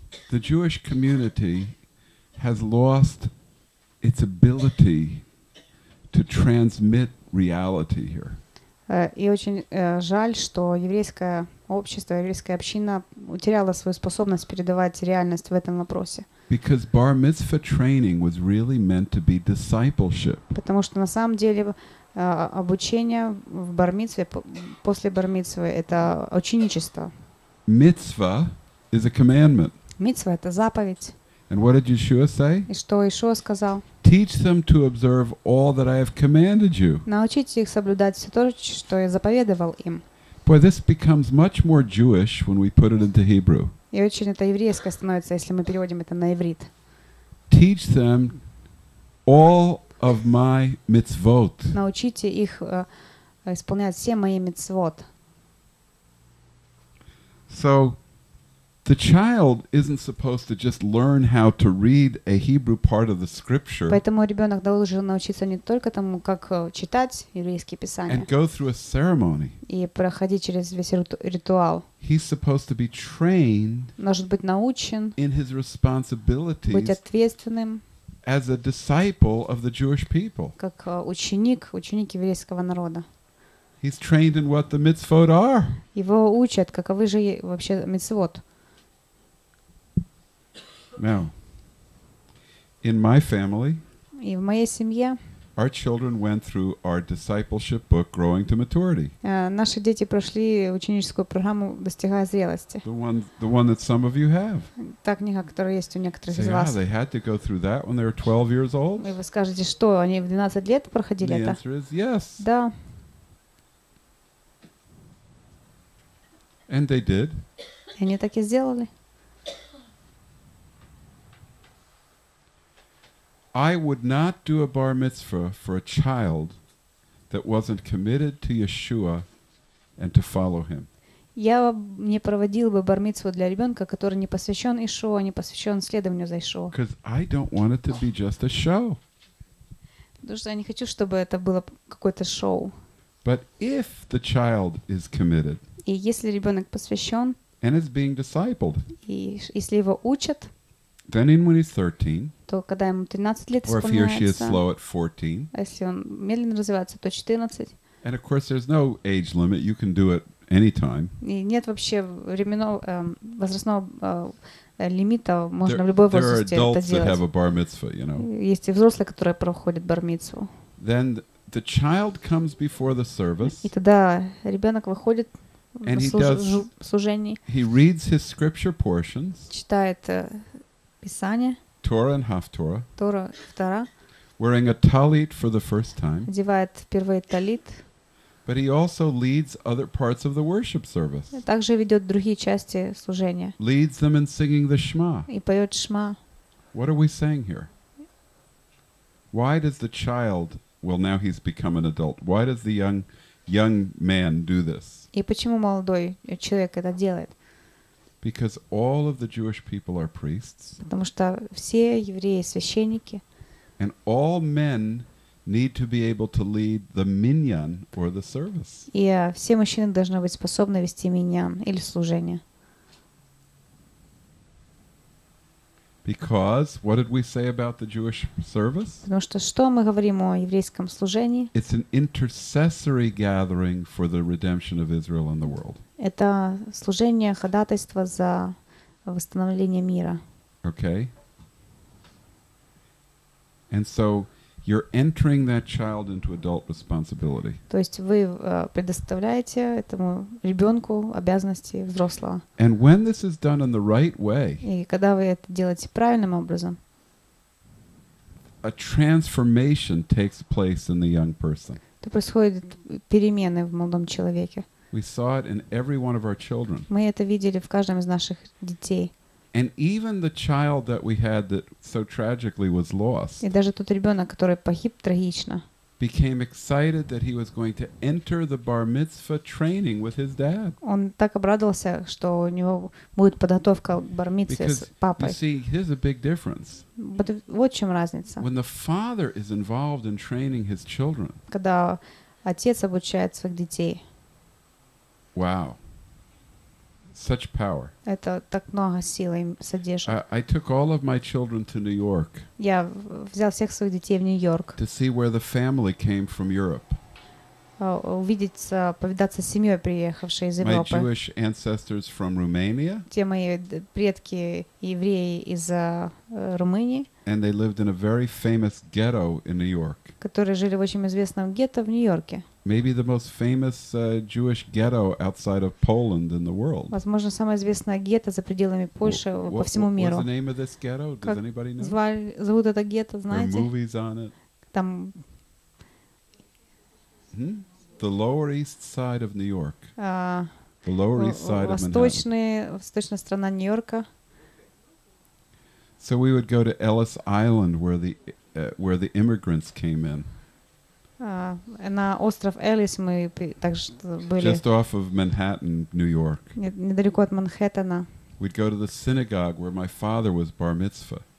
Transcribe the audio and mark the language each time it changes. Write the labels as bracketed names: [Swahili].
[English] the Jewish community has lost its ability to transmit reality here. [Russian] И очень жаль, что еврейская общество, еврейская община утеряла свою способность передавать реальность в этом вопросе. [English] Because bar mitzvah training was really meant to be discipleship. [Russian] Потому что на самом деле обучение в бар мицве, после бар мицвы, это ученичество. [English] Mitzvah is a commandment. [Russian] Мицва это заповедь. [English] And what did Yeshua say? [Russian] И что Иешуа сказал? [English] Teach them to observe all that I have commanded you. [Russian] Научите их соблюдать все то, что я заповедовал им. [English] Boy, this becomes much more Jewish when we put it into Hebrew. [Russian] И очень это еврейское становится, если мы переводим это на иврит. [English] Teach them all of my mitzvot. [Russian] Научите их исполнять все мои мицвот. [English] So the child isn't supposed to just learn how to read a Hebrew part of the scripture. [Russian] Поэтому ребёнок должен научиться не только тому, как читать еврейские писания. [English] And go through a ceremony. [Russian] И проходить через весь ритуал. [English] He's supposed to be trained. [Russian] Должен быть научен. [English] In his responsibilities. [Russian] Быть ответственным. [English] As a disciple of the Jewish people. [Russian] Как ученик еврейского народа. [English] He's trained in what the mitzvot are. [Russian] Его учат, каковы же вообще мицвот. [English] Now, in my family, [Russian] и в моей семье, [English] our children went through our discipleship book, Growing to Maturity. [Russian] Наши дети прошли ученическую программу, достигая зрелости. [English] The one that some of you have. [Russian] Та книга, которая есть у некоторых из вас. [English] Yeah, they had to go through that when they were 12 years old. [Russian] И вы скажете, что они в 12 лет проходили это? [English] The answer is yes. [Russian] Да. [English] And they did. [Russian] И они так и сделали. [English] I would not do a bar mitzvah for a child that wasn't committed to Yeshua and to follow him. [Russian] Я не проводил бы бар мицву для ребёнка, который не посвящён Иешуа, не посвящён следованию за Иешуа. [English] Because I don't want it to be just a show. [Russian] Потому что я не хочу, чтобы это было какое-то шоу. [English] But if the child is committed, [Russian] и если ребёнок посвящён, [English] and is being discipled, [Russian] и если его учат, [English] then when he's 13, [Russian] то когда ему 13 лет исполняется, [English] or if he or she is slow at 14, [Russian] а если он медленно развивается, то 14, [English] and of course there's no age limit, you can do it anytime, [Russian] и нет вообще возрастного лимита, можно в любой возрасте это делать. [English] There are adults that have a bar mitzvah, you know. [Russian] Есть и взрослые, которые проходят бар мицву. [English] Then the child comes before the service. [Russian] И тогда ребенок выходит в служении. [English] He reads his scripture portions. [Russian] Читает Писание. [English] Torah and Haftorah. [Russian] Тора, Тора. [English] Wearing a talit for the first time. [Russian] Одевает впервые талит. [English] But he also leads other parts of the worship service. [Russian] Также ведет другие части служения. [English] Leads them in singing the Shema. [Russian] И поет Шма. [English] What are we saying here? Why does the child, well, now he's become an adult. Why does the young man do this? [Russian] И почему молодой человек это делает? [English] Because all of the Jewish people are priests. [Russian] Потому что все евреи священники. [English] And all men need to be able to lead the minyan or the service. [Russian] И все мужчины должны быть способны вести миньян или служение. [English] Because what did we say about the Jewish service? [Russian] Потому что мы говорим о еврейском служении? [English] It's an intercessory gathering for the redemption of Israel and the world. [Russian] Это служение ходатайства за восстановление мира. [English] Okay. And so you're entering that child into adult responsibility. [Russian] То есть вы предоставляете этому ребёнку обязанности взрослого. [English] And when this is done in the right way. [Russian] И когда вы это делаете правильным образом. [English] A transformation takes place in the young person. [Russian] То происходят перемены в молодом человеке. [English] We saw it in every one of our children. [Russian] Мы это видели в каждом из наших детей. [English] And even the child that we had that so tragically was lost. [Russian] И даже тот ребёнок, который погиб трагично. [English] Became excited that he was going to enter the bar mitzvah training with his dad. [Russian] Он так обрадовался, что у него будет подготовка к бар мицве с папой. [English] Because, you see, here's a big difference. But [Russian] вот в чём разница. [English] When the father is involved in training his children. [Russian] Когда отец обучает своих детей. [English] Wow. Such power. [Russian] Это так много силы содержит. [English] I took all of my children to New York. [Russian] Я взял всех своих детей в Нью-Йорк. [English] To see where the family came from Europe. [Russian] Увидеться, повидаться с семьёй, приехавшей из Европы. [English] My Jewish ancestors from Romania. [Russian] Те мои предки евреи из Румынии. [English] And they lived in a very famous ghetto in New York. [Russian] Которые жили в очень известном гетто в Нью-Йорке. [English] Maybe the most famous Jewish ghetto outside of Poland in the world. [Russian] Возможно, самое известное гетто за пределами Польши по всему миру. [English] What's the name of this ghetto? Does anybody know? [Russian] Зовут это гетто, знаете? [English] There are movies on it. [Russian] Там. [English] The Lower East Side of New York. The Lower East Side of Manhattan. [Russian] Восточная сторона Нью-Йорка. [English] So we would go to Ellis Island, where the immigrants came in. [Russian] На остров Эллис мы также были. [English] Just off of Manhattan, New York. [Russian] Недалеко от Манхэттена. [English] We'd go to the synagogue where my father was bar mitzvah.